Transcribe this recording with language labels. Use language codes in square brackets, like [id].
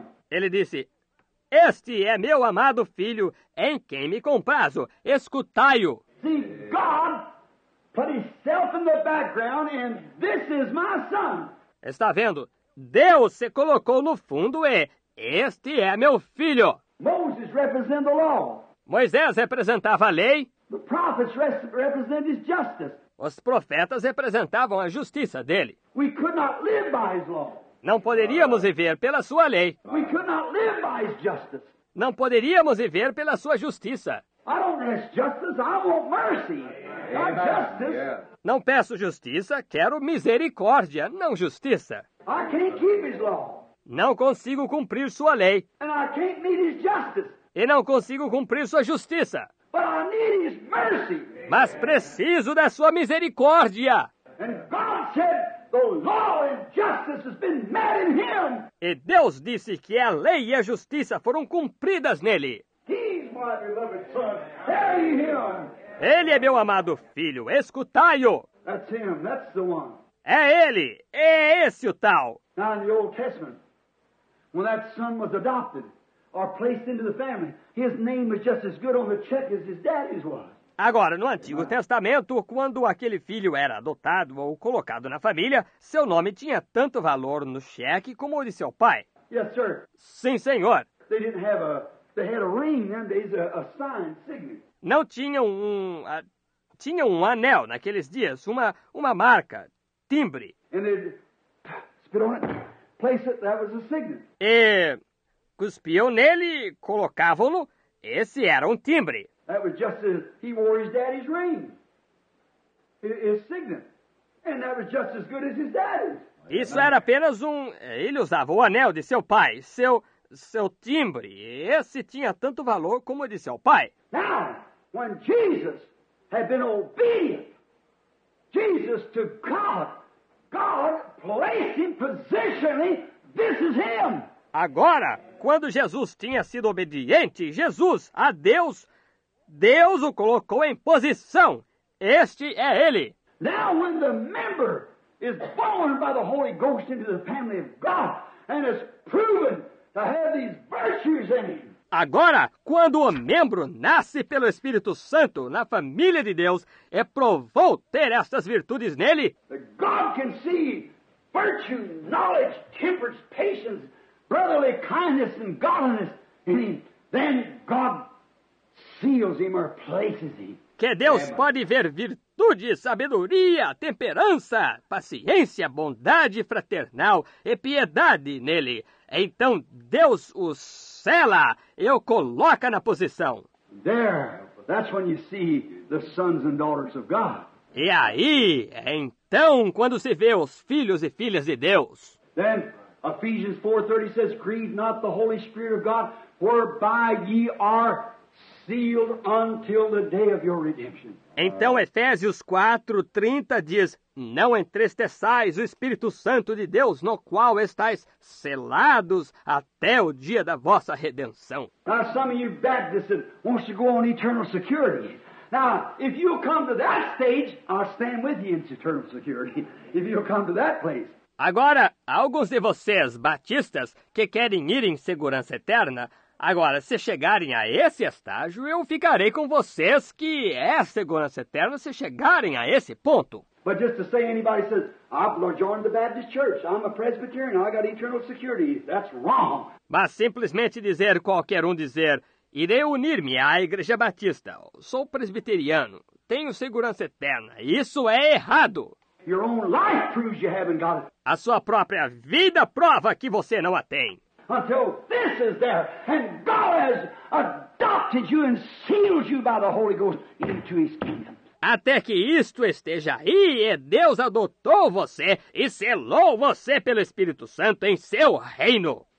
[pt] Ele disse, este é meu amado filho, em quem me comprazo, escutai-o. [en] See, God put himself in the background and this is my son. [pt] Está vendo? Deus se colocou no fundo e este é meu filho. [en] Moses represents the law. [pt] Moisés representava a lei. [en] The prophets represent his justice. [pt] Os profetas representavam a justiça dele. [en] We could not live by his law. [pt] Não poderíamos viver pela sua lei. [en] We could not live by his justice. [pt] Não poderíamos viver pela sua justiça. [en] I don't ask justice, I want mercy. Not justice. [pt] Não peço justiça, quero misericórdia, não justiça. [en] I can't keep his law. [pt] Não consigo cumprir sua lei. [en] And I can't meet his justice. [pt] E não consigo cumprir sua justiça. [en] But I need his mercy. [pt] Mas preciso da sua misericórdia. [en] And God said, the law and justice has been met in him. [pt] E Deus disse que a lei e a justiça foram cumpridas nele. [en] My beloved son, hear him. [pt] Ele é meu amado filho, escutai-o. [en] That's him, that's the one. [pt] É ele, é esse o tal. [en] Now in the Old Testament, when that son was adopted or placed into the family. His name was just as good on the check as his daddy's was. [pt] Agora, no Antigo Testamento, quando aquele filho era adotado ou colocado na família, seu nome tinha tanto valor no cheque como o de seu pai. [en] Yes, sir. [pt] Sim, senhor. [en] They didn't have a, they had a ring then, a sign, signet. [pt] Não tinham um, tinha um anel naqueles dias, uma marca, timbre. [en] And they'd spit on it, place it, that was a signet. [pt] E cuspiam nele, colocavam-no, esse era um timbre. [en] That was just as he wore his daddy's ring, his signet, and that was just as good as his daddy's. [pt] Isso era apenas um... Ele usava o anel de seu pai, seu timbre. Esse tinha tanto valor como o de seu pai. [en] Now, when Jesus had been obedient, Jesus to God, God placed him positionally, this is him. [pt] Agora, quando Jesus tinha sido obediente, Jesus, a Deus, Deus o colocou em posição. Este é ele. [en] Now, when the member is born by the Holy Ghost into the family of God and is proven to have these virtues in him. [pt] Agora, quando o membro nasce pelo Espírito Santo na família de Deus, é provou ter estas virtudes nele. [en] God can see virtue, knowledge, temperance, patience, brotherly kindness and godliness in him. Then God seals him or places him. [pt] Que Deus pode ver virtude, sabedoria, temperança, paciência, bondade fraternal e piedade nele. Então Deus o sela e o coloca na posição. [en] There, that's when you see the sons and daughters of God. [pt] E aí, é então quando se vê os filhos e filhas de Deus. [en] Then Ephesians 4:30 says, grieve not the Holy Spirit of God, whereby ye are sealed until the day of your redemption. [pt] Então Efésios 4:30 diz: não entristeçais o Espírito Santo de Deus, no qual estais selados até o dia da vossa redenção. [en] Now, some of you Baptists want to go on eternal security. Now, if you come to that stage, I'll stand with you in eternal security. If you come to that place. [pt] Agora, alguns de vocês batistas que querem ir em segurança eterna, agora, se chegarem a esse estágio, eu ficarei com vocês, que é a segurança eterna se chegarem a esse ponto. [en] But just to say anybody says, I've joined the Baptist Church, I'm a Presbyterian, I got eternal security, that's wrong. [pt] Mas simplesmente dizer, qualquer um dizer, irei unir-me à Igreja Batista, sou presbiteriano, tenho segurança eterna, isso é errado. [en] Your own life proves you haven't got it. [pt] A sua própria vida prova que você não a tem. [en] Until this is there, and God has adopted you and sealed you by the Holy Ghost into his kingdom. [pt] Até que isto esteja aí, e Deus adotou você e selou você pelo Espírito Santo em seu reino.